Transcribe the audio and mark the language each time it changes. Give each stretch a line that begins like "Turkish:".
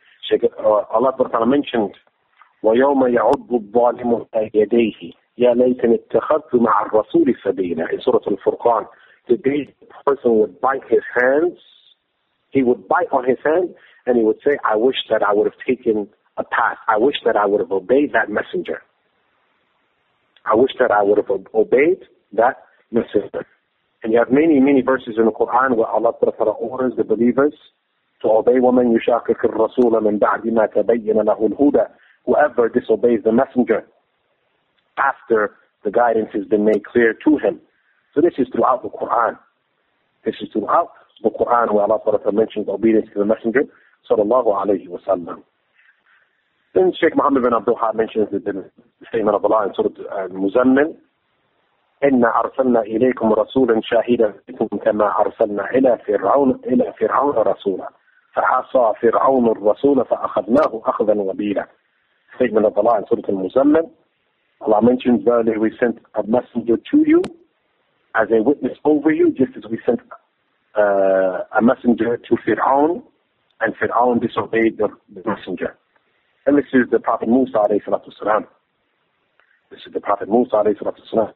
English: Allah subhanahu wa ta'ala mentioned,
Arabic: وَيَوْمَ يَعُضُّ الظَّالِمُ يَدَيْهِ يَا لَيْتَنِ اتَّخَذْتُ مَعَ الرَّسُولِ سَبِيلًا
English: in Surah Al-Furqan. The day the person would bite his hands, he would bite on his hand, and he would say, I wish that I would have taken a path. I wish that I would have obeyed that messenger. I wish that I would have obeyed that messenger. And you have many, many verses in the Quran where Allah Ta'ala orders the believers to obey
Arabic: وَمَنْ يُشَاكِكِ الرَّسُولَ مِنْ بَعْدِ مَا تَبَيِّنَ لَهُ الْهُدَى.
English: Whoever disobeys the messenger after the guidance has been made clear to him. So this is throughout the Quran. This is throughout the Quran where Allah Ta'ala mentions obedience to the messenger sallallahu alayhi wa sallam. Then Sheikh Muhammad bin Abdul Ha mentions the statement of Allah in Surah Al-Muzammil,
Arabic: إِنَّا أَرْسَلْنَا إِلَيْكُمْ رَسُولًا شَاهِدًا كَمَا أَرْسَلْنَا إِلَى فِرْعَوْنَ رَسُولًا فَحَصَى فِرْعَوْنُ الرَّسُولَ فَأَخَذْنَاهُ أَخْذًا وَبِيلًا.
English: Statement of Allah in Surah Al-Muzammil, Allah mentions, verily we sent a messenger to you as a witness over you, just as we sent a messenger to Fir'aun, and Fir'aun disobeyed the messenger. And this is the Prophet Musa alayhi salatu wasalam. This is the Prophet Musa alayhi salatu wasalam.